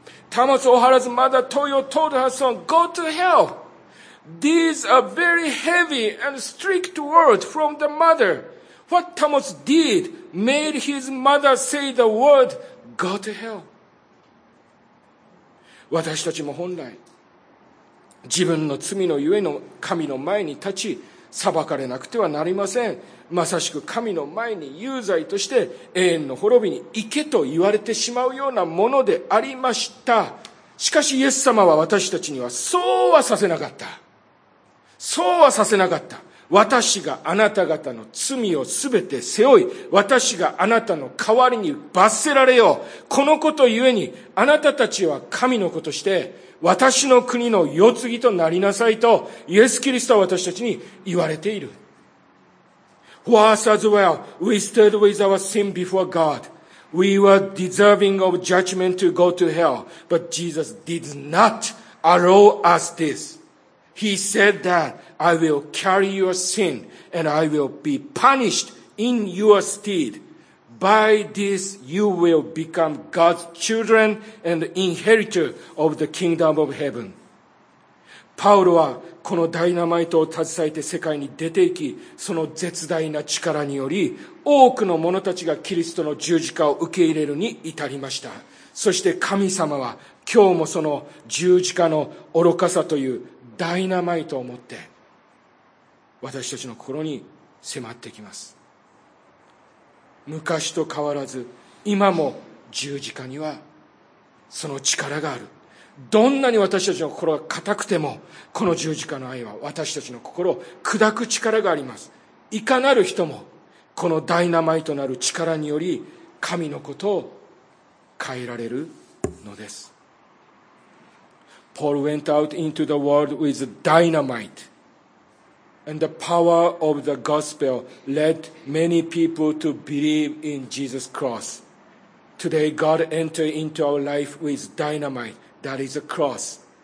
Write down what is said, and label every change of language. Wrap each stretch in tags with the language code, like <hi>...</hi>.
<en>タモス・オハラズ・マダ・トヨ・トール・ハソン、Go to hell! These are very heavy and strict words from the mother. What Thomas did made his mother say the word, go to hell.</en> <ja>私たちも本来、自分の罪のゆえの神の前に立ち、裁かれなくてはなりません。まさしく神の前に有罪として永遠の滅びに行けと言われてしまうようなものでありました。しかしイエス様は私たちにはそうはさせなかった。そうはさせなかった。私があなた方の罪をすべて背負い、私があなたの代わりに罰せられよう。このことゆえに、あなたたちは神の子として、私の国の世継ぎとなりなさいとイエス・キリストは私たちに言われている。</ja> <en>For us as well, we stood with our sin before God. We were deserving of judgment to go to hell, but Jesus did not allow us this. He said that I will carry your sin and I will be punished in your stead. By this you will become God's children and inheritor of the kingdom of heaven.</en> <ja>パウロはこのダイナマイトを携えて世界に出ていき、その絶大な力により多くの者たちがキリストの十字架を受け入れるに至りました。そして神様は今日もその十字架の愚かさというダイナマイトを持って私たちの心に迫ってきます。昔と変わらず今も十字架にはその力がある。どんなに私たちの心が固くてもこの十字架の愛は私たちの心を砕く力があります。いかなる人もこのダイナマイトなる力により神のことを変えられるのです。</ja> <en>Paul went out into the world with dynamite. And the power of the gospel led many people to believe in Jesus' cross. Today, God entered into our life with dynamite, that is a cross.</en>